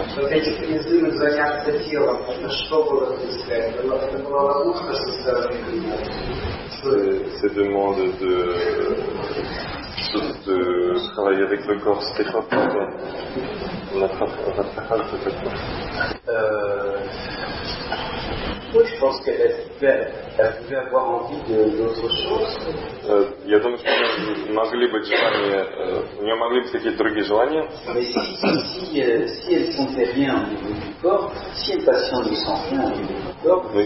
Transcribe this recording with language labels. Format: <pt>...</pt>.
<ru>Эти призывы заняться телом, это что было для себя? Это была ловушка со стороны клиента.</ru> <fr>ces demandes de travailler avec le corps, c'était quoi pour toi? On a pas mal de choses. Moi, je pense qu'elle pouvait avoir envie de, d'autres choses.</fr> <ru>Я думаю, что у нее могли быть желания, у нее могли быть какие-то другие желания.</ru> <fr>Si elle sentait rien au niveau du corps, si un patient ne sent rien au niveau du corps, oui.</fr>